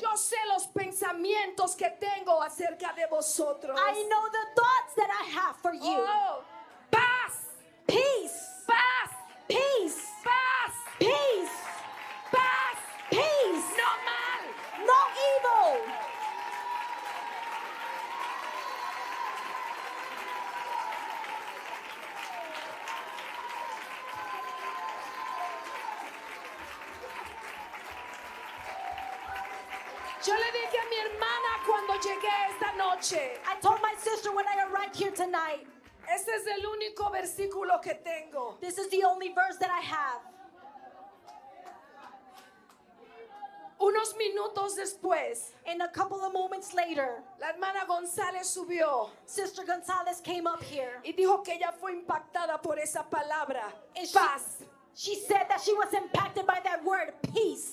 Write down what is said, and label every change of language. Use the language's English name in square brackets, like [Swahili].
[Spanish] yo sé los pensamientos que tengo acerca de vosotros. [English] I know the thoughts that I have for you. [Spanish] Oh, paz. [English] Peace. [Spanish] Paz. [English] Peace. [Spanish] Paz. [English] Peace. [Spanish] Paz. [English] Peace. [Spanish] No mal. [English] No evil. I told my sister when I arrived here tonight. [Spanish] Este es el único versículo que tengo. [English] This is the only verse that I have. [Spanish] Unos minutos después, [English] in a couple of moments later, [Spanish] la hermana González subió. [English] Sister González came up here. [Spanish] Y dijo que ella fue impactada por esa palabra. [English] And paz. She said that she was impacted by that word, peace.